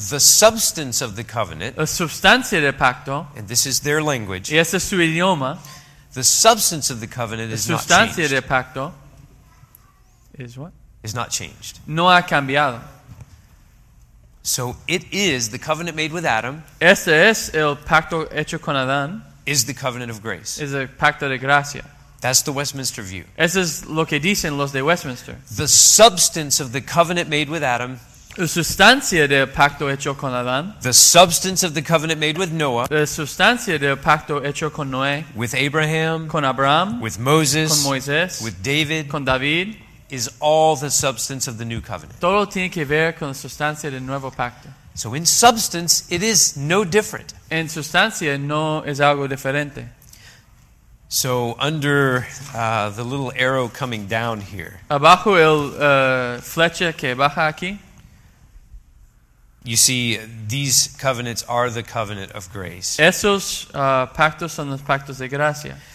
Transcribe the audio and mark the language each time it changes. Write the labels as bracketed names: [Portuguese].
[English] the substance of the covenant, [Spanish] la sustancia del pacto, [English] and this is their language, [Spanish] y este es su idioma, [English] the substance of the covenant is not changed. [Spanish] La sustancia del pacto [English] is what? Is not changed. [Spanish] No ha cambiado. [English] So it is the covenant made with Adam. [Spanish] Este es el pacto hecho con Adán. [English] Is the covenant of grace. [Spanish] Es el pacto de gracia. [English] That's the Westminster view. [Spanish] Eso es lo que dicen los de Westminster. [English] The substance of the covenant made with Adam. [Spanish] La sustancia del pacto hecho con Adán. [English] The substance of the covenant made with Noah. [Spanish] La sustancia del pacto hecho con Noé. [English] With Abraham. [Spanish] Con Abraham. [English] With Moses. [Spanish] Con Moisés. [English] With David. [Spanish] Con David. [English] Is all the substance of the new covenant. [Spanish] Todo tiene que ver con la sustancia del nuevo pacto. [English] So in substance, it is no different. [Spanish] En sustancia, no es algo diferente. [English] So under the little arrow coming down here. [Spanish] Abajo el flecha que baja aquí. [English] You see, these covenants are the covenant of grace. [Spanish] Esos pactos son los pactos de gracia.